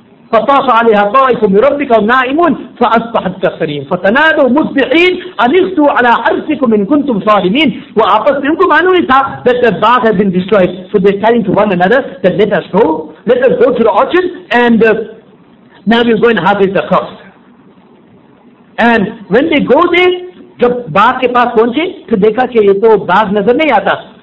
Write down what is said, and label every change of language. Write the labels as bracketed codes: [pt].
[ar] فطاف عليها طائف من ربكم نائم فاصبحت كالصريم فتنادوا مصبحين ان اغتوا على حرثكم ان كنتم صارمين. [ur] واپس ان کو معلوم تھا [en] that the bag had been destroyed, so they're telling to one another that let us go to the orchard, and now we're going to harvest the crops. And when they go there, [ur] جب باغ کے پاس پہنچے تو دیکھا کہ یہ تو باغ نظر نہیں آتا,